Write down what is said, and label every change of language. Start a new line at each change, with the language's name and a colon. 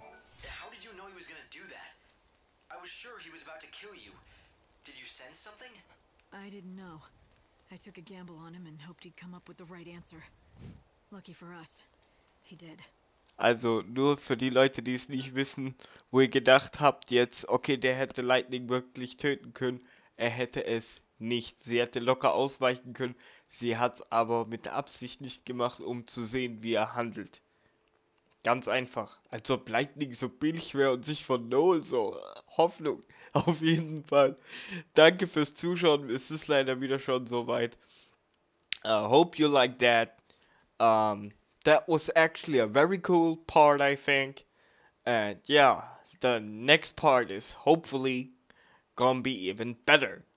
English: How did you know he was gonna do that? I was sure he was about to kill you. Did you sense something? I didn't know. I took a gamble on him and hoped he'd come up with the right answer. Lucky for us, he did.
German: Also, nur für die Leute, die es nicht wissen, wo ihr gedacht habt jetzt, okay, der hätte Lightning wirklich töten können, er hätte es nicht. Sie hätte locker ausweichen können, sie hat es aber mit Absicht nicht gemacht, um zu sehen, wie er handelt. Ganz einfach. Als ob Lightning so billig wäre und sich von Noel so Hoffnung. Auf jeden Fall. Danke fürs Zuschauen, es ist leider wieder schon soweit.
English: Hope you like that. That was actually a very cool part, I think. And yeah, the next part is hopefully gonna be even better.